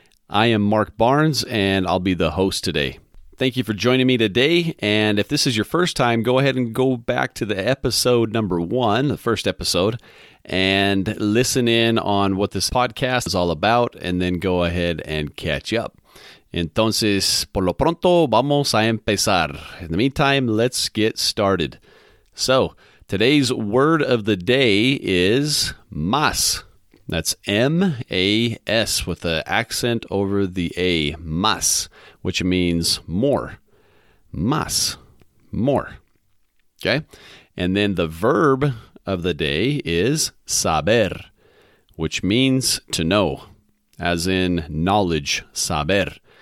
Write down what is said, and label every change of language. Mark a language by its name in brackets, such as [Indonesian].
[English] I am Mark Barnes, and I'll be the host today. Thank you for joining me today, and if this is your first time, go ahead and go back to the episode number one, the first episode, and listen in on what this podcast is all about, and then go ahead and catch up. [Spanish] Entonces, por lo pronto, vamos a empezar. [English] In the meantime, let's get started. So, today's word of the day is más. That's M-A-S with an accent over the A, más, which means more. Más, more. Okay? And then the verb of the day is saber, which means to know, as in knowledge, saber.